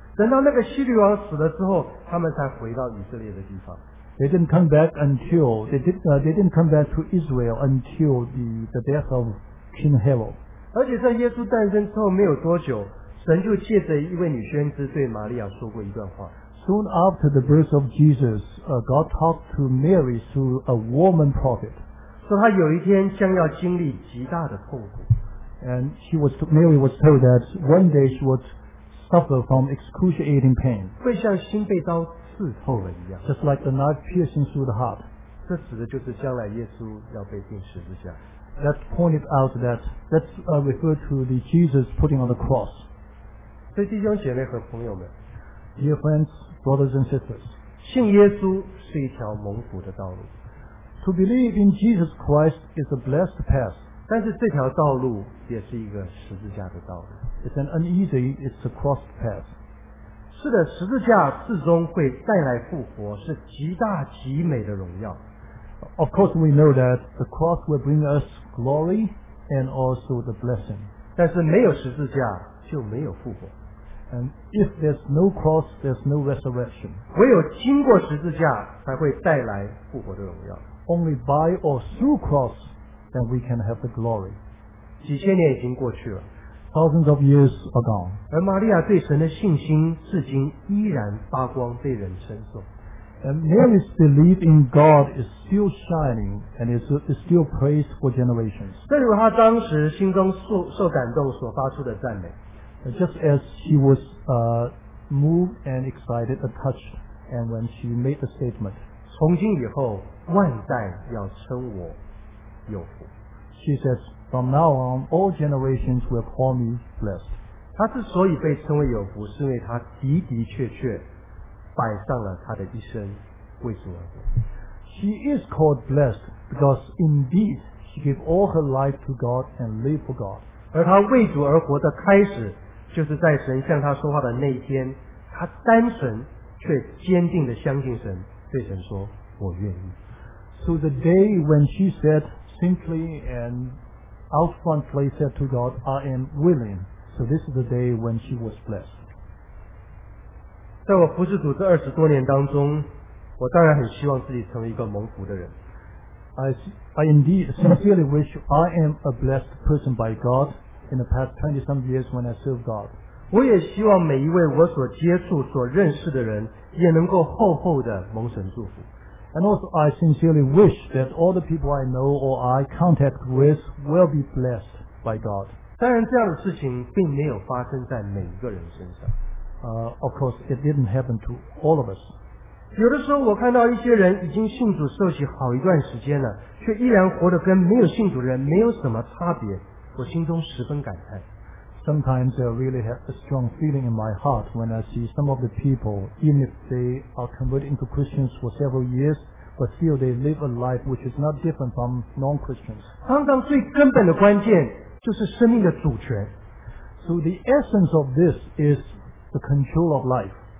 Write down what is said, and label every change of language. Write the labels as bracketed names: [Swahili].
[Chinese] 等到那个希律王死了之后，他们才回到以色列的地方。 [English] They didn't come back until they didn't come back to Israel until the death of King Herod. [Chinese] 而且在耶稣诞生之后没有多久，神就借着一位女先知对玛利亚说过一段话。 [English] Soon after the birth of Jesus, God talked to Mary through a woman prophet. [Chinese] 说她有一天将要经历极大的痛苦。 [English] And Mary was told that one day she would suffer from excruciating pain. [Chinese] 会像心被刀刺透了一样。 [English] Just like the knife piercing through the heart. [Chinese] 这指的就是将来耶稣要被钉十字架。 [English] That pointed out that's referred to the Jesus putting on the cross. [Chinese] 所以弟兄姐妹和朋友们 [English] ，Dear friends, brothers and sisters, [Chinese] 信耶稣是一条蒙福的道路。 [English] To believe in Jesus Christ is a blessed path. [Chinese] 但是这条道路也是一个十字架的道路。 [English] It's an uneasy, it's a crossed path. [Chinese] 是的，十字架最终会带来复活，是极大极美的荣耀。 [English] Of course, we know that the cross will bring us glory and also the blessing. [Chinese] 但是没有十字架就没有复活。 [English] And if there's no cross, there's no resurrection. [Chinese] 唯有经过十字架才会带来复活的荣耀。 [English] Only by or through cross that we can have the glory. [Chinese] 几千年已经过去了。 [English] Thousands of years are gone. [Chinese] 而玛利亚对神的信心至今依然发光，被人称颂。 [English] And Mary's belief in God is still shining and is still praised for generations. [Chinese] 正如她当时心中 受感动所发出的赞美。 [English] Just as she was moved and excited and touched, and when she made the statement, [Chinese] 从今以后万代要称我有福。 [English] She says, from now on, all generations will call me blessed. [Chinese] 她之所以被称为有福，是因为她的的确确摆上了她的一生为主而活。 [English] She is called blessed because indeed she gave all her life to God and lived for God. [Chinese] 而她为主而活的开始，就是在神向她说话的那一天，她单纯却坚定地相信神，对神说：“我愿意。” [English] So the day when she said simply and out frontly said to God, "I am willing." So this is the day when she was blessed. [Chinese] 在我服侍主这二十多年当中，我当然很希望自己成为一个蒙福的人。 [English] I indeed sincerely wish I am a blessed person by God in the past 20 some years when I serve God. [Chinese] 我也希望每一位我所接触、所认识的人也能够厚厚的蒙神祝福。 [English] And also I sincerely wish that all the people I know or I contact with will be blessed by God. [Chinese] 当然这样的事情并没有发生在每一个人身上。 [English] Of course, it didn't happen to all of us. [Chinese] 有的时候我看到一些人已经信主受洗好一段时间了，却依然活得跟没有信主的人没有什么差别，我心中十分感叹。 [English] Sometimes I really have a strong feeling in my heart when I see some of the people, even if they are converted into Christians for several years, but still they live a life which is not different from non-Christians. [Chinese] 常常最根本的关键就是生命的主权。 [English] So the essence of this is,The control of life.